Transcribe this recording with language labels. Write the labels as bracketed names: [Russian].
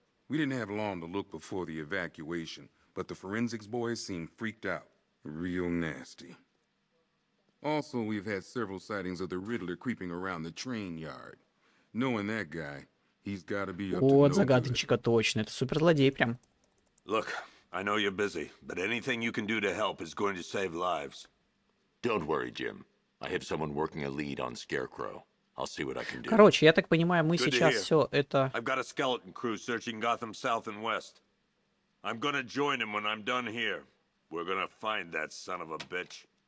[English] We didn't have long to look before the evacuation, but the forensics boys seemed freaked out. Real nasty. Also, we've had several sightings of the Riddler creeping around the train yard. Knowing that guy, he's got to be up to no good. [Russian] Вот загадочка точно, это суперзлодей прям. [English] Look, I know you're busy, but anything you can do to help is going to save lives. Don't worry, Jim. I have someone working a lead on Scarecrow. I'll see what I can do. [Russian] Короче, я так понимаю, мы сейчас все это. [English] I've got a skeleton crew searching Gotham south and west. I'm gonna join him when I'm done here. We're gonna find that son of a bitch.